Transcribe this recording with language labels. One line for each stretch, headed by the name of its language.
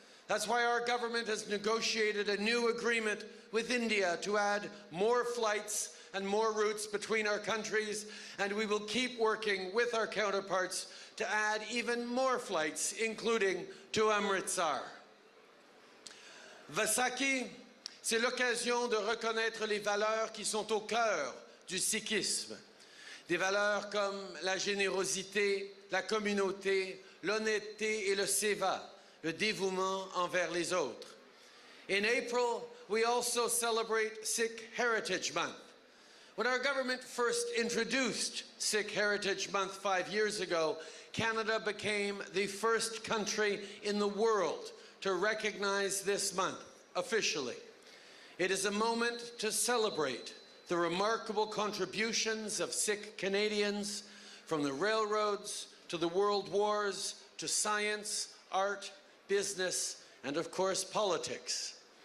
English: That's why our government has negotiated a new agreement with India to add more flights and more routes between our countries, and we will keep working with our counterparts to add even more flights, including to Amritsar.
French: Vaisakhi, c'est l'occasion de reconnaître les valeurs qui sont au cœur du Sikhisme. Des valeurs comme la générosité, la communauté, l'honnêteté et le seva, le dévouement envers les autres.
English: In April, we also celebrate Sikh Heritage Month. When our government first introduced Sikh Heritage Month 5 years ago, Canada became the first country in the world to recognize this month officially. It is a moment to celebrate the remarkable contributions of Sikh Canadians, from the railroads, to the world wars, to science, art, business, and of course politics.